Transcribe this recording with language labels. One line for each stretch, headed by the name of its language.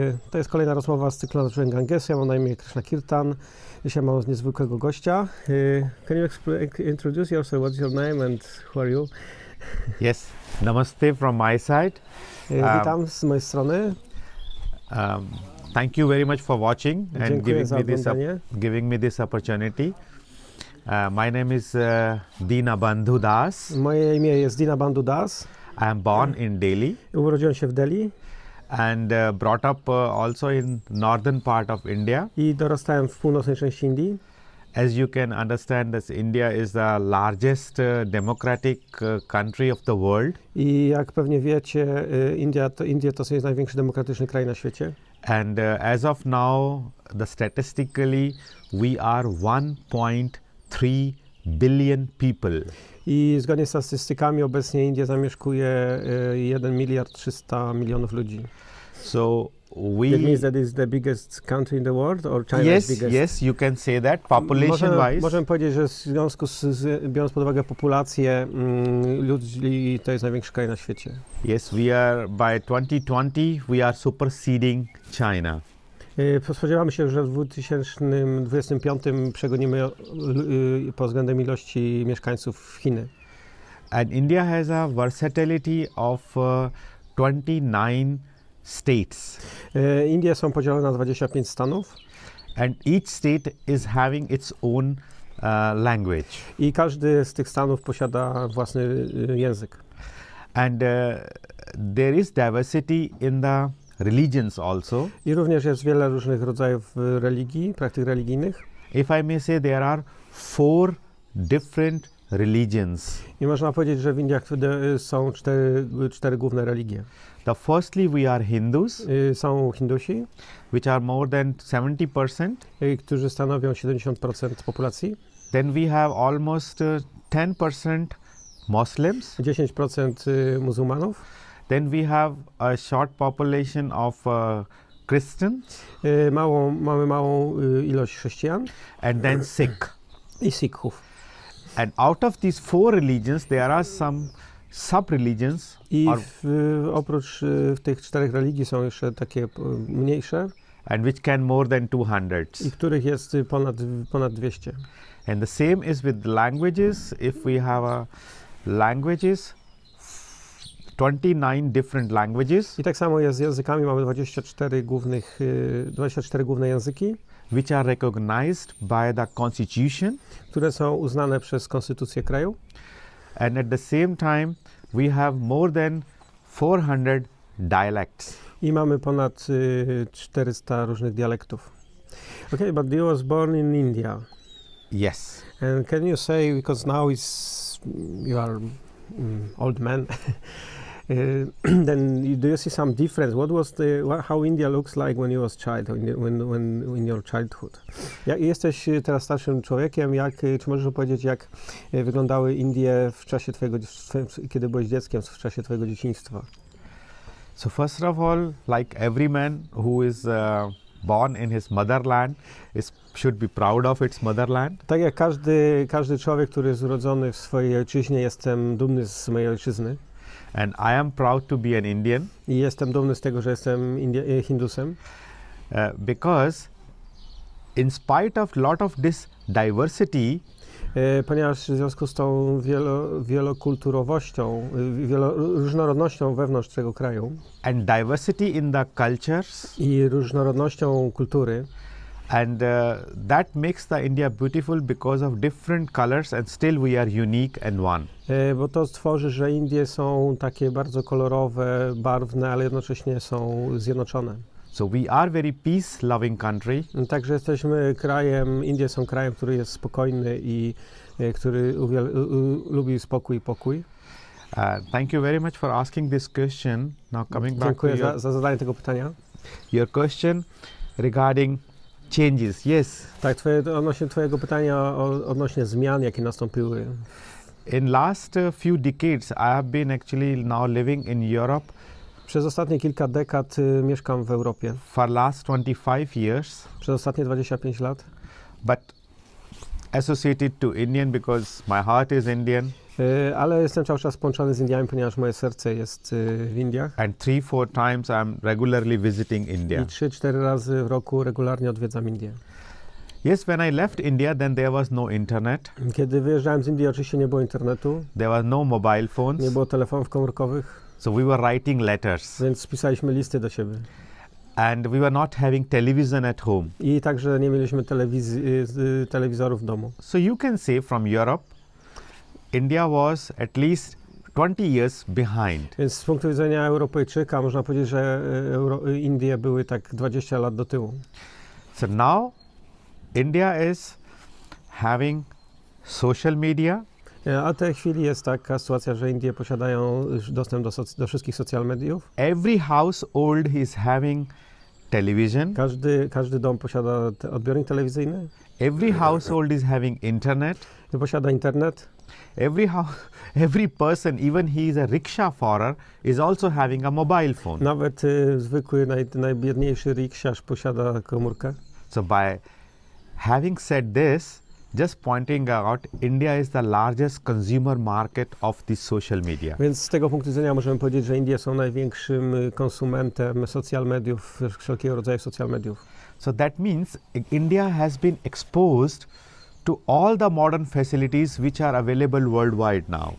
Polish: To jest kolejna rozmowa z cyklu Nauczyłem Gangesu. Ja mam na imię Krishna Kirtan. Dzisiaj mam z niezwykłego gościa.
English: Can you introduce yourself? What's your name and who are you? Yes, namaste from my side.
Polish: Witam z mojej strony.
English: Thank you very much for watching and giving me this opportunity. My name is Dinabandhu Das.
Polish: Moje imię jest Dinabandhu Das.
English: I am born in Delhi.
Polish: Urodziłem się w Delhi.
English: And brought up also in northern part of India.
Polish: I dorastałem w północnej części Indii.
English: As you can understand, this India is the largest democratic country of the world.
Polish: I jak pewnie wiecie, India to jest największy demokratyczny kraj na świecie.
English: And as of now, the statistically, we are 1.3 billion people.
Polish: I zgodnie z statystykami obecnie India zamieszkuje 1 miliard 300 milionów ludzi.
English: So we. That means that is the biggest country in the world, or China yes, is biggest. Yes, you can say that population wise.
Polish: Możemy powiedzieć, że w związku z biorąc pod uwagę populację ludzi, to jest największy kraj na świecie.
English: Yes, we are by 2020 we are superseding China.
Polish: Spodziewamy się, że w 2025 przegonimy pod względem ilości mieszkańców Chiny.
English: And India has a versatility of 29. States.
Polish: Indie są podzielone na 25 stanów.
English: And each state is having its own language.
Polish: I każdy z tych stanów posiada własny język.
English: And there is diversity in the religions also.
Polish: I również jest wiele różnych rodzajów religii, praktyk religijnych.
English: If I may say, there are four different religions.
Polish: I można powiedzieć, że w Indiach są cztery główne religie.
English: The firstly we are Hindus.
Polish: Są Hindusi,
English: which are more than 70%.
Polish: Którzy stanowią 70% populacji.
English: Then we have almost 10% Muslims.
Polish: 10% muzułmanów.
English: Then we have a short population of Christians.
Polish: Mamy małą ilość chrześcijan.
English: And then Sikh.
Polish: I Sikhów.
English: And out of these four religions, there are some sub-religions.
Polish: I oprócz tych czterech religii są jeszcze takie mniejsze.
English: And which can more than 200.
Polish: I których jest ponad 200.
English: And the same is with languages. If we have a languages, 29 different languages.
Polish: I tak samo jest z językami. Mamy 24 główne języki.
English: Which are recognized by the constitution.
Polish: Które są uznane przez konstytucję kraju.
English: And at the same time, we have more than 400 dialects.
Polish: I mamy ponad 400 różnych dialektów.
English: Okay, but you was born in India. Yes. And can you say, because now is you are old man, then do you see some difference? What was the how India looks like when you was child, when in your childhood?
Polish: Jesteś teraz starszym człowiekiem. Jak czy możesz opowiedzieć, jak wyglądały Indie w czasie twojego, kiedy byłeś dzieckiem, w czasie twojego dzieciństwa?
English: So first of all, like every man who is born in his motherland, should be proud of its motherland.
Polish: Tak jak każdy człowiek, który jest urodzony w swojej ojczyźnie, jestem dumny z mojej ojczyzny.
English: And I am proud to be an Indian.
Polish: I jestem dumny z tego, że jestem Hindusem.
English: Because in spite of lot of this diversity,
Polish: ponieważ w związku z tą wielokulturowością, różnorodnością wewnątrz tego kraju,
English: and diversity in the cultures,
Polish: i różnorodnością kultury,
English: and that makes the India beautiful because of different colors and still we are unique and one.
Polish: Bo to stworzy, że Indie są takie bardzo kolorowe, barwne, ale jednocześnie są zjednoczone.
English: So we are very peace-loving country.
Polish: Także jesteśmy krajem, Indie są krajem, który jest spokojny i który lubi spokój i pokój.
English: Thank you very much for asking this question. Now coming back
Polish: dziękuję
English: to
Polish: Dziękuję za zadanie tego pytania.
English: Your question regarding changes, yes.
Polish: Tak, odnośnie twojego pytania odnośnie zmian, jakie nastąpiły.
English: In last few decades, I have been actually now living in Europe.
Polish: Przez ostatnie kilka dekad mieszkam w Europie.
English: For last 25 years.
Polish: Przez ostatnie 25 lat.
English: But associated to Indian because my heart is Indian.
Polish: Ale jestem cały czas połączony z Indiami, ponieważ moje serce jest w Indiach.
English: And 3-4 times I'm regularly visiting India.
Polish: I 3-4 razy w roku regularnie odwiedzam Indie.
English: Yes, when I left India, then there was no internet.
Polish: Kiedy wyjeżdżałem z Indii, oczywiście nie było internetu.
English: There were no mobile phones.
Polish: Nie było telefonów komórkowych.
English: So we were writing letters.
Polish: Więc pisaliśmy listy do siebie.
English: And we were not having television at home.
Polish: I także nie mieliśmy telewizorów w domu.
English: So you can say from Europe, India was at least 20 years behind.
Polish: Więc z punktu widzenia Europejczyka można powiedzieć, że Indie były tak 20 lat do tyłu.
English: So now India is having social media.
Polish: A w tej chwili jest taka sytuacja, że Indie posiadają dostęp do wszystkich social mediów.
English: Every household is having television.
Polish: Każdy dom posiada odbiornik telewizyjny.
English: Every household is having internet.
Polish: I posiada internet.
English: Every person, even he is a rickshaw farer, is also having a mobile phone.
Polish: Nawet zwykły, najbiedniejszy rickshaw posiada komórkę.
English: So by having said this, just pointing out, India is the largest consumer market of this social media.
Polish: Więc z tego punktu widzenia możemy powiedzieć, że Indie są największym konsumentem social mediów, wszelkiego rodzaju social mediów.
English: So that means India has been exposed to all the modern facilities which are available worldwide now.